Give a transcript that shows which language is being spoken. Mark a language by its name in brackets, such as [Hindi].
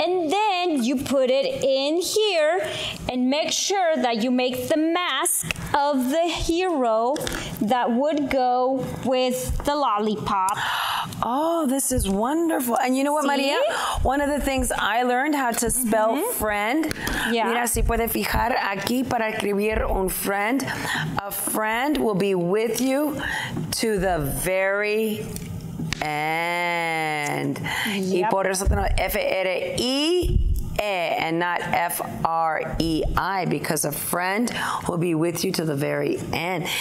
[English] And then you put it in here and make sure that you make the mask of the hero that would go with the lollipop. Oh, this is wonderful. And you know what, See? Maria? One of the things I learned how to spell mm-hmm. friend. Yeah. [Spanish] Mira, si puede fijar aquí para escribir un friend. [English] A friend will be with you to the very end. Yep. [Spanish] Y por eso tenemos F-R-I. [English] And not F-R-E-I, because a friend will be with you to the very end.